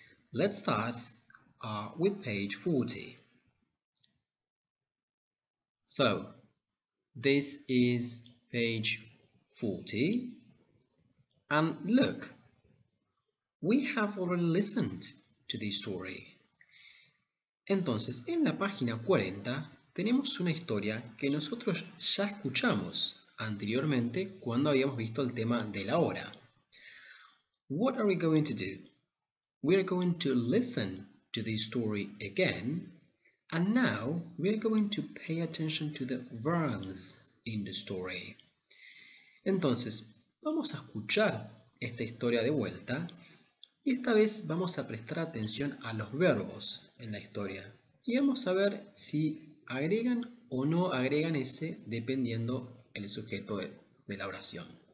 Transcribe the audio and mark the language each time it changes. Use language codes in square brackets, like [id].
[en] Let's start with page 40. So, this is page 40. And look, we have already listened to this story. [es] Entonces, en la página 40, tenemos una historia que nosotros ya escuchamos anteriormente cuando habíamos visto el tema de la hora. [en] What are we going to do? We are going to listen to this story again, and now we are going to pay attention to the verbs in the story. [es] Entonces, vamos a escuchar esta historia de vuelta, y esta vez vamos a prestar atención a los verbos en la historia, y vamos a ver si agregan o no agregan ese dependiendo el sujeto de la oración.